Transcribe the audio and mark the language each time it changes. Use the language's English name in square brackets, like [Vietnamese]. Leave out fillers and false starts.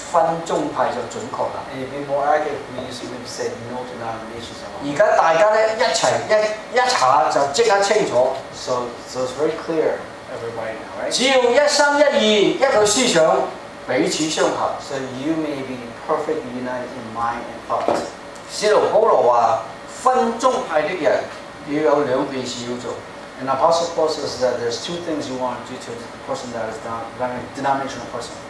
[Cantonese] 嗱，但係咧，而家我哋翻譯分宗派就準確啦。 [English] And be more accurate, we used to even say no denominations. [Cantonese] 而家大家咧一齊一查就即刻清楚。 [English] So it's very clear, everybody now, right? [Cantonese] 只要一心一意一個思想彼此相合。 [English] So you may be perfect united in mind and thought. [Cantonese] 使徒保羅話分宗派的人。要有兩件事要做， [English] and Apostle Paul says that there's two things you want to do to the person that is denominational person.